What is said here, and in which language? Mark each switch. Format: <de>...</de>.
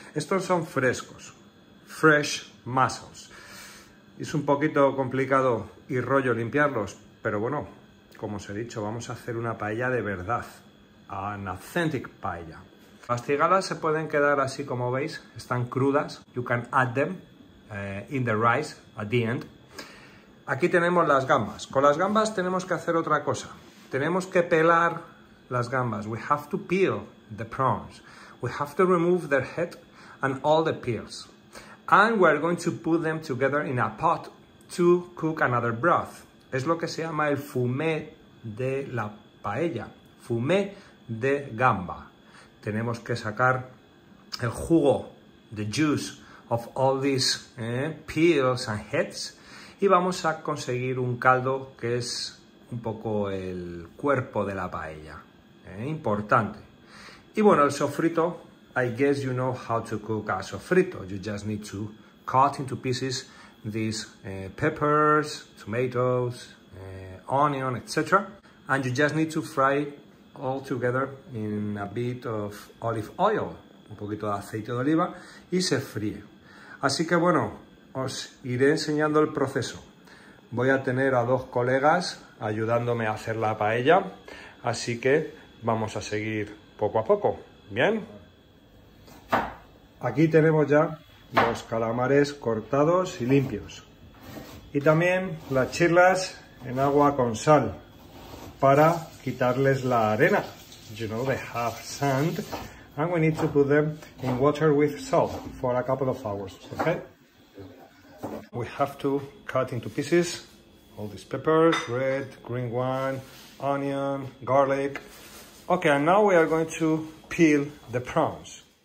<es>Estos son frescos,</es> <en>fresh mussels.</en> <es>Es un poquito complicado y rollo limpiarlos, pero bueno, como os he dicho, vamos a hacer una paella de verdad.</es> <en>An authentic paella.</en> <es>Las cigalas se pueden quedar así como veis, están crudas.</es> <en>You can add them in the rice at the end.</en> <es>Aquí tenemos las gambas. Con las gambas tenemos que hacer otra cosa. Tenemos que pelar las gambas. We have to peel the prawns.</es> <en>We have to remove their head and all the peels. And we're going to put them together in a pot to cook another broth.</en> <es>Es lo que se llama el fumé de la paella. Fumé de gamba. Tenemos que sacar el jugo,</es> <en>the juice of all these peels and heads.</en> <es>Y vamos a conseguir un caldo que es un poco el cuerpo de la paella. Importante. Y bueno, el sofrito.</es> <en>I guess you know how to cook a sofrito. You just need to cut into pieces these peppers, tomatoes, onion, etc. And you just need to fry all together in a bit of olive oil,</en> <es>un poquito de aceite de oliva, y se fríe. Así que bueno, os iré enseñando el proceso. Voy a tener a dos colegas ayudándome a hacer la paella, así que vamos a seguir poco a poco. Bien. Aquí tenemos ya los calamares cortados y limpios. Y también las chirlas en agua con sal para quitarles la arena.</es> <en>You know, they have sand and we need to put them in water with salt for a couple of hours, okay? We have to cut into pieces all these peppers, red, green one, onion, garlic. Okay, and now we are going to peel the prawns.</en>